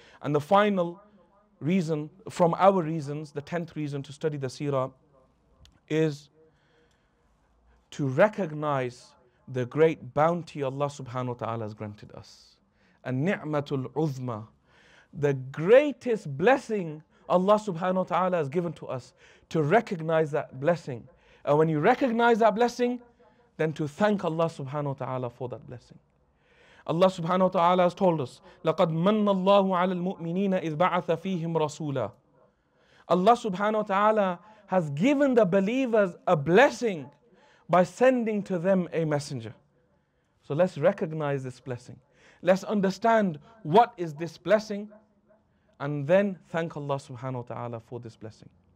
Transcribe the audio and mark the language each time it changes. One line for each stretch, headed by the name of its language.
English: And the final reason, from our reasons, the 10th reason to study the seerah is to recognize the great bounty Allah subhanahu wa ta'ala has granted us. An-ni'matul uzma. The greatest blessing Allah subhanahu wa ta'ala has given to us, to recognize that blessing. And when you recognize that blessing, then to thank Allah subhanahu wa ta'ala for that blessing. Allah subhanahu wa ta'ala has told us,
Arabic: لَقَدْ مَنَّ اللَّهُ عَلَى الْمُؤْمِنِينَ إِذْ بَعَثَ فِيهِمْ رَسُولًا.
English: Allah subhanahu wa ta'ala has given the believers a blessing by sending to them a messenger. So let's recognize this blessing. Let's understand what is this blessing and then thank Allah subhanahu wa ta'ala for this blessing.